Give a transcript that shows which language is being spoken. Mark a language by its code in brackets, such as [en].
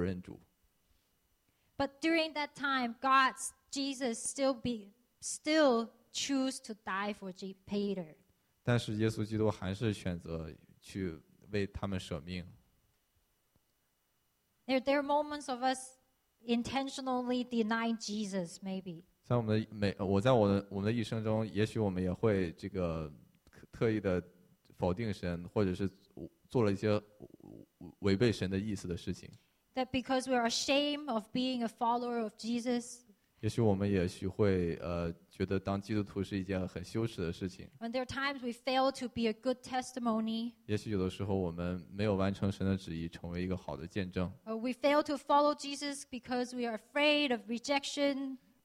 [zh] 其实这个例子就是在这个经文中，彼得说：“主啊，我愿意，我永远也不会背叛你。”但是主耶稣知道这个彼得会三次的不认主。But [en] during that time, God, Jesus still choose to die for Peter. [zh] 但是耶稣基督还是选择去为他们舍命。There [en] are moments of us intentionally denying Jesus, maybe. [zh] 在我们的一生中，也许我们也会这个特意的否定神，或者是做了一些违背神的意思的事情。That [en] because we are ashamed of being a follower of Jesus. [zh] 也许我们也许会觉得当基督徒是一件很羞耻的事情。And [en] there are times we fail to be a good testimony. [zh] 也许有的时候我们没有完成神的旨意，成为一个好的见证。Or [en] we fail to follow Jesus because we are afraid of rejection.